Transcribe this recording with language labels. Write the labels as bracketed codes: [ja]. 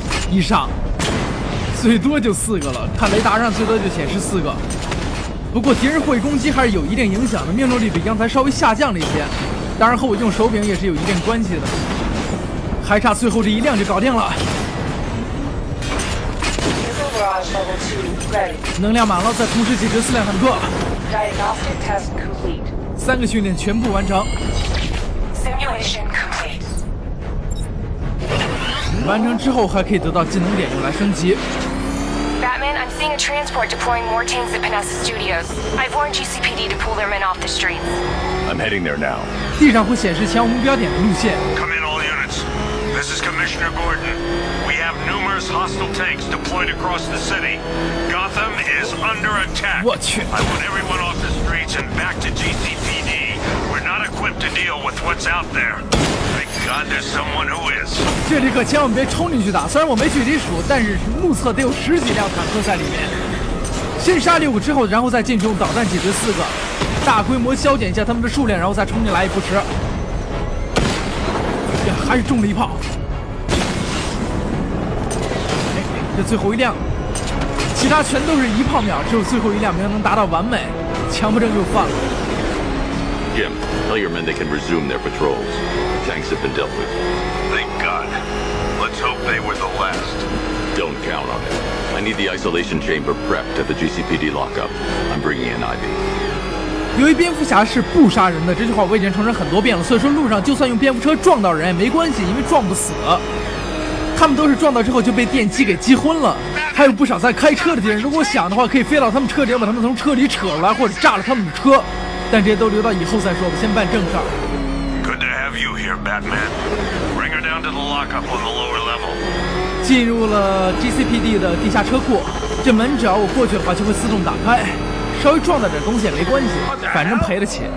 [zh] 以上，最多就四个了，看雷达上最多就显示四个，不过敌人会攻击还是有一定影响的，命中率比刚才稍微下降了一些，当然和我用手柄也是有一定关系的，还差最后这一辆就搞定了，能量满了，再同时解决四辆坦克。 [en] Diagnostic test complete. [zh] 三个训练全部完成。 [en] Simulation complete. [zh] 完成之后还可以得到技能点用来升级。 [en] Batman, I'm seeing a transport deploying more tanks at Panessa Studios. I've warned GCPD to pull their men off the streets. I'm heading there now. [zh] 地上会显示前往目标点的路线。 [en] Come in, all units. This is Commissioner Gordon. Numerous hostile tanks deployed across the city. Gotham is under attack. I want everyone off the streets and back to GCPD. We're not equipped to deal with what's out there. Thank God there's someone who is. [zh] 这里可千万别冲进去打，虽然我没具体数，但是目测得有十几辆坦克在里面。先杀六个之后，然后再进去用导弹解决四个，大规模削减一下他们的数量，然后再冲进来也不迟。呀，还是中了一炮。这最后一辆，其他全都是一炮秒，只有最后一辆没有能达到完美，强迫症又犯了。 [en] Jim, tell your men they can resume their patrols. Tanks have been dealt with. Thank God. Let's hope they were the last. Don't count on it. I need the isolation chamber prepped at the GCPD lockup. I'm bringing in Ivy. [zh] 由于蝙蝠侠是不杀人的，这句话我已经重申很多遍了，所以说路上就算用蝙蝠车撞到人也没关系，因为撞不死。他们都是撞到之后就被电击给击昏了，还有不少在开车的敌人，如果想的话可以飞到他们车顶把他们从车里扯出来，或者炸了他们的车，但这些都留到以后再说吧，先办正事儿。 [en] Good to have you here, Batman. Bring her down to the lockup on the lower level. [zh] 进入了 GCPD 的地下车库，这门只要我过去的话就会自动打开，稍微撞到点东西也没关系，反正赔得起。